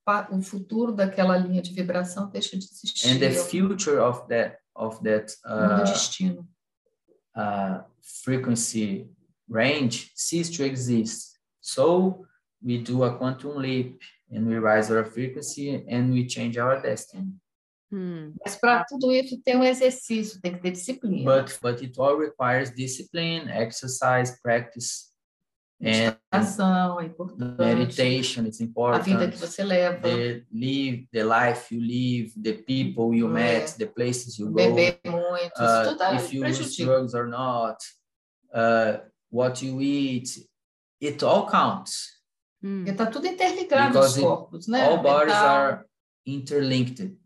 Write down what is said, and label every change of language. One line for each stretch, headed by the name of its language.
Portuguese: O futuro daquela linha de vibração deixa de existir.
English: And the future of that
Portuguese: destino.
English: Frequency range cease to exist. So we do a quantum leap and we raise our frequency and we change our destiny.
Portuguese: Mas para tudo isso tem um exercício, tem que ter disciplina.
English: But it all requires discipline, exercise, practice,
Portuguese: meditação, é importante.
English: Meditation is important.
Portuguese: A vida que você leva.
English: The life you live, the people you met, the places you go.
Portuguese: Beber muito,
English: if you use drugs or not, what you eat, it all counts.
Portuguese: Está tudo interligado nos corpos, né?
English: All bodies are interlinked.